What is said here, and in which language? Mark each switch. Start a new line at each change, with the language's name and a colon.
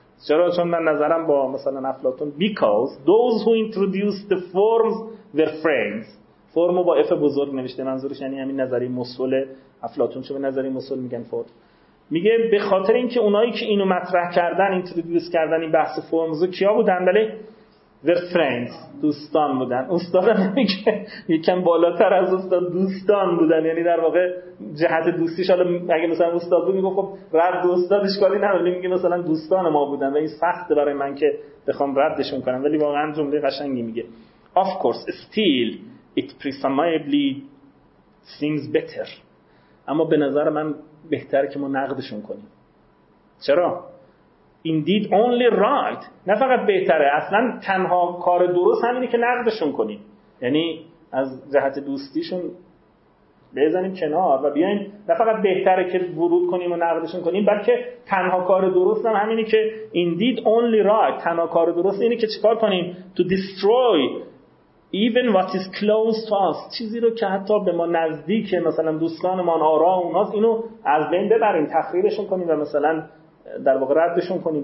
Persian: چرا؟ چون من نظرم با مثلا افلاطون،
English: because those who introduced the forms were friends.
Persian: فرمو با اف بزرگ نوشته، منظورش یعنی همین نظری مسل افلاطون. چون به نظری مسل میگن فرم، میگه به خاطر اینکه اونایی که اینو مطرح کردن، introduce کردن این بحث forms رو، کیا بودن؟ بله
English: were friends،
Persian: دوستان بودن. استاد میگه یکم بالاتر از استاد، دوستان بودن، یعنی در واقع جهت دوستیش. حالا اگه مثلا استاد بود میگه خب رد استاد اشکالی نداره، میگه مثلا دوستان ما بودن و این سخته برای من که بخوام ردشون کنم، ولی واقعا جمله قشنگی میگه.
English: of course still it presumably seems better.
Persian: اما به نظر من بهتره که ما نقدشون کنیم. چرا؟
English: indeed only right.
Persian: نه فقط بهتره، اصلا تنها کار درست همینه که نقدشون کنیم، یعنی از جهت دوستیشون بزنیم کنار و بیاین نه فقط بهتره که ورود کنیم و نقدشون کنیم، بلکه تنها کار درست هم همینی که
English: indeed only right،
Persian: تنها کار درست اینی که چیکار کنیم،
English: to destroy even what is close to us،
Persian: چیزی رو که حتی به ما نزدیکه، مثلا دوستان ما، آرا اوناست، اینو از بین ببریم، تخریبشون کنیم و مثلا در واقع ردشون کنیم.